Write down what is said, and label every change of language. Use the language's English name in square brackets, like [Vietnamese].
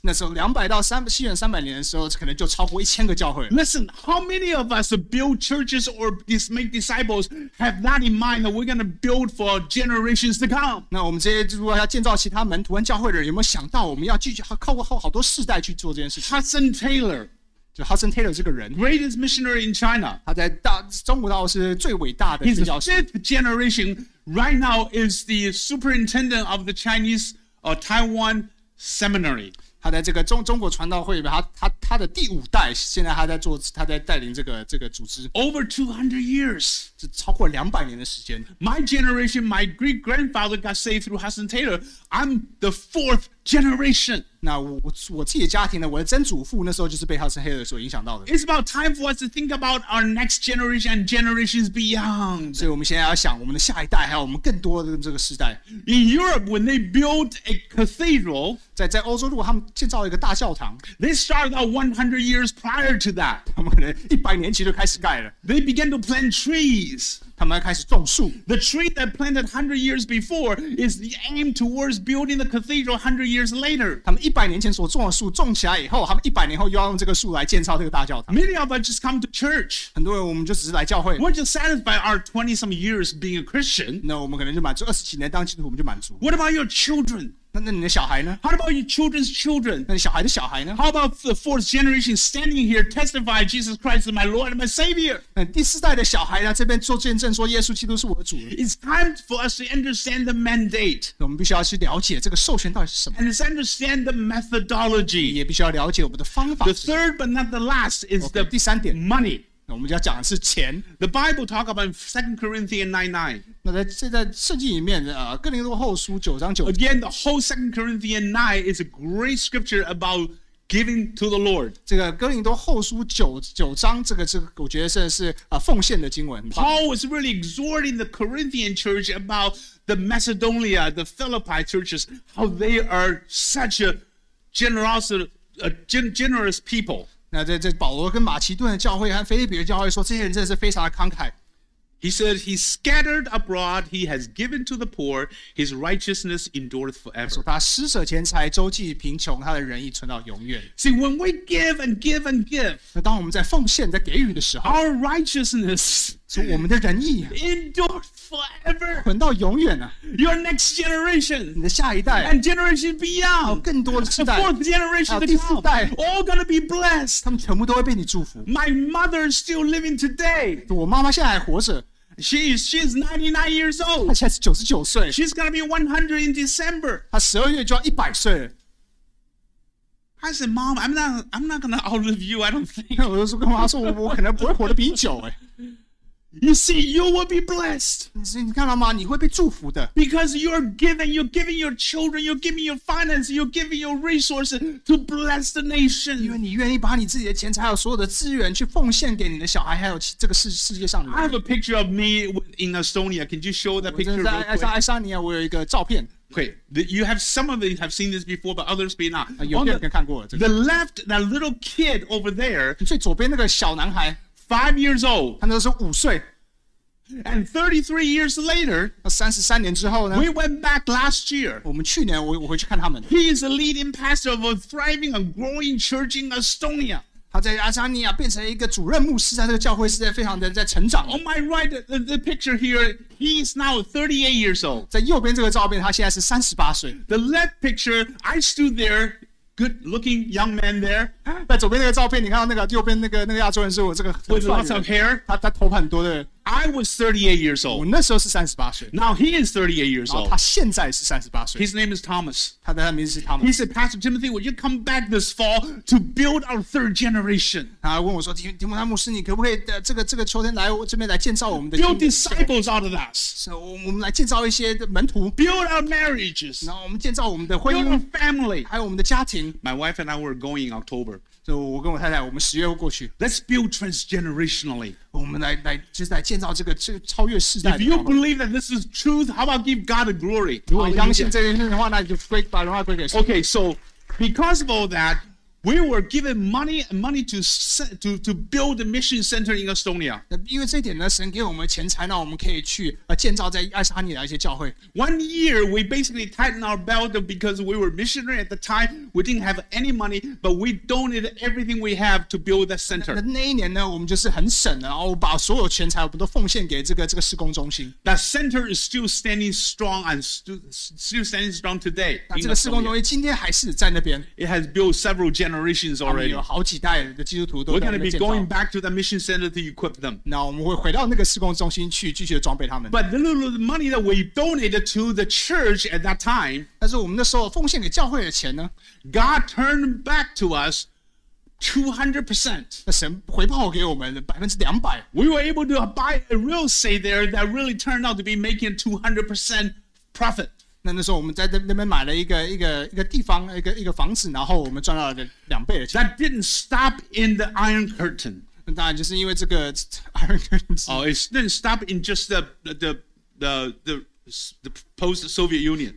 [Chinese] 那时候西元300年的时候，可能就超过1000个教会。 [English] Listen, how many of us build churches or make disciples have that in mind that we're going to build for generations to come? [Chinese] 那我们这些如果要建造其他门徒跟教会的人，有没有想到我们要继续靠过好多世代去做这件事情 [English] ？Hudson Taylor. [Chinese] 就 Hudson Taylor 这个人 [English] ，greatest missionary in China. [Chinese] 他在中国大陆是最伟大的宣教士。 [English] He's the fifth generation. Right now is the superintendent of the Chinese Taiwan Seminary. [Chinese] 他在这个中国传道会里面，他的第五代，现在他在带领这个组织。 [English] Over 200 years, [Chinese] 这超过200年的时间。 [English] My generation, my great grandfather got saved through Hudson Taylor. I'm the fourth generation. [Chinese] 那我自己的家庭呢？我的曾祖父那时候就是被 Hudson Taylor 所影响到的。 [English] It's about time for us to think about our next generation and generations beyond. [Chinese] 所以我们现在要想我们的下一代，还有我们更多的这个世代。 [English] In Europe, when they build a cathedral, [Chinese] 在欧洲，如果他们建造一个大教堂 [English] ，they started out 100 years prior to that. [Chinese] 他们可能100年前就开始盖了。 [English] They began to plant trees. [Chinese] 他们开始种树。 [English] The tree that planted 100 years before is the aim towards building the cathedral 100 years later. [Chinese] 他们100年前所种的树种起来以后，他们100年后又要用这个树来建造这个大教堂。 [English] Many of us just come to church. [Chinese] 很多人我们就只是来教会。 [English] We're just satisfied our 20 some years being a Christian. [Chinese] No, 我们可能就满足20几年当基督徒，我们就满足。 [English] What about your children? [Chinese] 那你的小孩呢？ [English] How about your children's children? [Chinese] 那你小孩的小孩呢？ [English] How about the fourth generation standing here testify Jesus Christ is my Lord and my Savior? [Chinese] 那第四代的小孩呢，这边做见证说耶稣基督是我的主。 [English] It's time for us to understand the mandate. [Chinese] 我们必须要去了解这个授权到底是什么。 [English] And to understand the methodology. [Chinese] 也必须要了解我们的方法。 [English] The third but not the last is the [Chinese] okay, 第三点 [English] money. [Chinese] 我们要讲的是钱。 [English] The Bible talk about 2 Corinthians 9:9. [Chinese] 那在圣经里面，哥林多后书九章九。 [English] Again, the whole 2 Corinthians 9 is a great scripture about giving to the Lord. [Chinese] 这个哥林多后书九章，这个，我觉得真的是奉献的经文。 [English] Paul was really exhorting the Corinthian church about the Macedonia, the Philippi churches, how they are such a generous people. [Chinese] 那在保罗跟马其顿的教会和腓立比的教会说，这些人真的是非常的慷慨。 [English] He said he scattered abroad, he has given to the poor, his righteousness endureth forever. [Chinese] 他施舍钱财，周济贫穷，他的仁义存到永远。 [English] See, when we give and give and give, [Chinese] 那当我们在奉献、在给予的时候 [English] ，our righteousness, [Chinese] 是我们的仁义 [English] endureth forever, [Chinese] 存到永远啊。 [English] Your next generation, [Chinese] 你的下一代 [English] ，and generation beyond, [Chinese] 更多的世代 [English] ，fourth generation, [Chinese] 第四代 [English] ，all gonna be blessed, [Chinese] 他们全部都会被你祝福。 [English] My mother is still living today. [Chinese] 我妈妈现在还活着。 [English] She's 99 years old. [Chinese] 她现在是99岁。 [English] She's gonna be 100 in December. [Chinese] 她十二月就要100岁。 [English] I said, Mom, I'm not gonna outlive you. I don't think. [Chinese] 我就说跟妈说，我可能不会活得比你久哎。 [English] You see, you will be blessed. [Chinese] 你看到吗？你会被祝福的。 [English] Because you're giving, you're giving your children, you're giving your finances, you're giving your resources to bless the nation. [Chinese] 因为你愿意把你自己的钱财还有所有的资源去奉献给你的小孩，还有这个世界上的人。 [English] I have a picture of me in Estonia. Can you show that picture? [Chinese] 在爱沙尼亚，我有一个照片。 [English] Okay, you have some of them have seen this before, but others may not. [Chinese] 有些人看过了。 [English] The left, that little kid over there. [Chinese] 最左边那个小男孩。 [English] 5 years old, [Chinese] 他那时候五岁 [English] and 33 years later, [Chinese] 33年之后呢 [English] we went back last year. [Chinese] 我们去年我回去看他们。 [English] He is a leading pastor of a thriving and growing church in Estonia. [Chinese] 他在爱沙尼亚变成一个主任牧师，在这个教会是在非常的在成长。 [English] On my right, the picture here, he is now 38 years old. [Chinese] 在右边这个照片，他现在是38岁。 [English] The left picture, I stood there. Good-looking young man there. [Chinese] 在左边那个照片，你看到那个右边那个亚洲人是我这个。 [English] With lots of hair. [Chinese] 他头发很多的。 [English] I was 38 years old. [Chinese] 我那时候是38岁。 [English] Now he is 38 years old. [Chinese] 他现在是38岁。 [English] His name is Thomas. [Chinese] 他名字是 Thomas. [English] He said, Pastor Timothy, would you come back this fall to build our third generation? [Chinese] 他问我说，提摩太牧师，你可不可以这个秋天来这边来建造我们的。 [English] Build disciples out of us. [Chinese] 我们来建造一些门徒。 [English] Build our marriages. [Chinese] 然后我们建造我们的婚姻。 [English] Build our family. [Chinese] 还有我们的家庭。 [English] My wife and I were going in October. [Chinese] So, 我跟我太太，我们十月过去。 [English] Let's build transgenerationally. [Chinese] 我们来建造这个超越世代。 [English] If you believe that this is truth, how about give God a glory? [Chinese] 如果你相信这件事的话，那你就把荣耀归给神。 [English] Okay, so because of all that, we were given money to build a mission center in Estonia. [Chinese] 因为这点呢，神给我们钱财，那我们可以去建造在爱沙尼亚的一些教会。 [English] One year, we basically tightened our belt because we were missionary at the time. We didn't have any money, but we donated everything we have to build that center. [Chinese] 那一年呢，我们就是很省，然后把所有钱财我们都奉献给这个施工中心。 [English] That center is still standing strong and still standing strong today. [Chinese] 那这个施工中心今天还是在那边。 [English] It has built several generations already. [Chinese] 有好几代的基督徒都在那建 [English] We're going to be going back to the mission center to equip them. [Chinese] 那我们会回到那个施工中心去继续装备他们。 [English] But the little money that we donated to the church at that time, [Chinese] 但是我们那时候奉献给教会的钱呢 [English] ，God turned back to us 200%. [Chinese] 那神回报给我们200%. [English] We were able to buy a real estate there that really turned out to be making 200% profit. [Chinese] 那时候我们在那边买了一个地方一个房子，然后我们赚到了两倍的钱。 [English] That didn't stop in the Iron Curtain. [Chinese] 那当然就是因为这个 Iron Curtain. [English] Oh, it didn't stop in just the post Soviet Union.